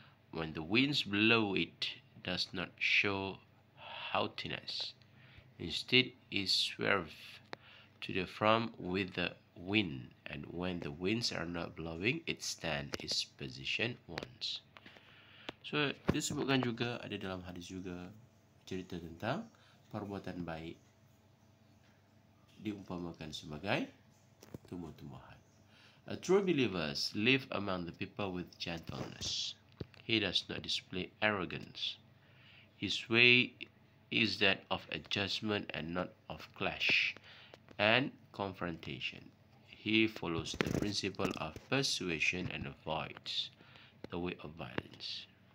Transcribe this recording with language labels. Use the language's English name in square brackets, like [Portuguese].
[English] When the winds blow, it does not show haughtiness. Instead, it swerves to the front with the wind. And when the winds are not blowing, it stands its position once. [Indonesian] So, disebutkan juga, ada dalam hadis juga, cerita tentang perbuatan baik diumpamakan sebagai tumbuh-tumbuhan. [English] A true believer lives among the people with gentleness. He does not display arrogance. His way is that of adjustment and not of clash and confrontation. He follows the principle of persuasion and avoids the way of violence.